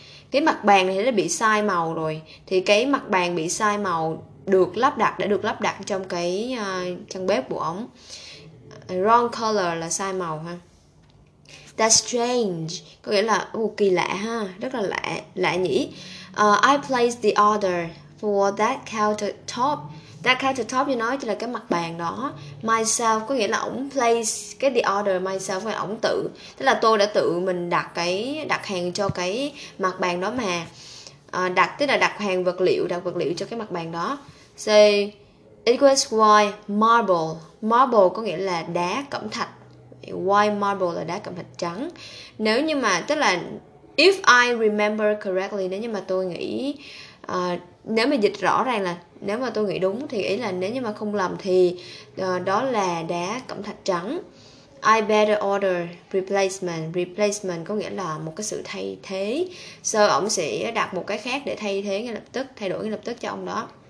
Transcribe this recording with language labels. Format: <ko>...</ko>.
<vi>Cái mặt bàn này nó bị sai màu rồi. Thì cái mặt bàn bị sai màu đã được lắp đặt trong cái trong bếp của ông.</vi> <en>Wrong color</en> <vi>là sai màu ha.</vi> <en>That's strange</en> <vi>có nghĩa là kỳ lạ ha, rất là lạ nhỉ.</vi> <en>I placed the order for that countertop. That countertop</en> <vi>thì nói chỉ là cái mặt bàn đó. Myself có nghĩa là ông place cái</vi> <en>the order myself,</en> <vi>phải ông tự, tức là tôi đã tự mình đặt hàng cho cái mặt bàn đó mà. Đặt vật liệu cho cái mặt bàn đó.</vi> <en>So, it was white marble.</en> <vi>Marble có nghĩa là đá cẩm thạch. White marble là đá cẩm thạch trắng. Nếu như mà, tức là</vi> <en>if I remember correctly,</en> <vi>nếu như mà tôi nghĩ nếu mà dịch rõ ràng là nếu mà tôi nghĩ đúng thì ý là nếu như mà không lầm thì đó là đá cẩm thạch trắng.</vi> <en>I better order replacement.</en> <vi>Replacement có nghĩa là một cái sự thay thế. So, ông sẽ đặt một cái khác để thay thế ngay lập tức, thay đổi ngay lập tức cho ông đó.</vi>